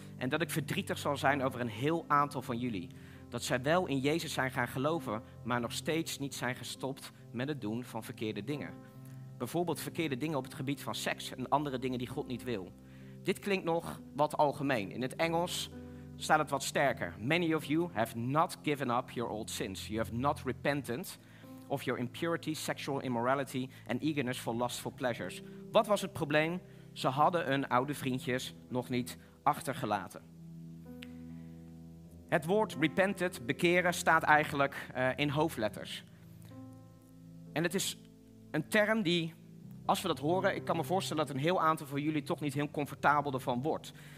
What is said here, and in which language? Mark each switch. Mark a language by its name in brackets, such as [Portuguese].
[Dutch] En dat ik verdrietig zal zijn over een heel aantal van jullie. Dat zij wel in Jezus zijn gaan geloven, maar nog steeds niet zijn gestopt met het doen van verkeerde dingen. Bijvoorbeeld verkeerde dingen op het gebied van seks en andere dingen die God niet wil. Dit klinkt nog wat algemeen. In het Engels staat het wat sterker. [English] Many of you have not given up your old sins. You have not repented of your impurity, sexual immorality and eagerness for lustful pleasures. [Dutch] Wat was het probleem? Ze hadden hun oude vriendjes nog niet achtergelaten. Het woord repented, bekeren, staat eigenlijk in hoofdletters. En het is een term die, als we dat horen, ik kan me voorstellen dat een heel aantal van jullie toch niet heel comfortabel ervan wordt.